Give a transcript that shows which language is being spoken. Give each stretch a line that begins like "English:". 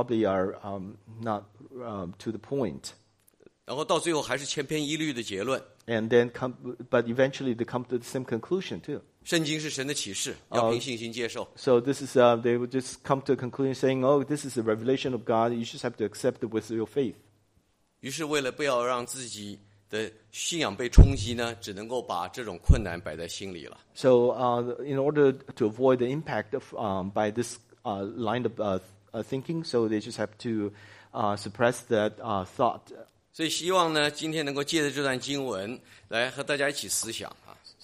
English: So some of them are probably not to the point.
Chinese: 然后到最后还是千篇一律的结论。
English: But eventually they come to the same conclusion too.
Chinese: 圣经是神的启示，要凭信心接受。
English: So this is they would just come to a conclusion saying, "Oh, this is a revelation of God. You just have to accept it with your faith."
Chinese: 于是为了不要让自己的信仰被冲击呢，只能够把这种困难摆在心里了。
English: So in order to avoid the impact by this line of thinking, they just have to suppress that thought.
Chinese: 所以希望呢，今天能够借着这段经文来和大家一起思想啊。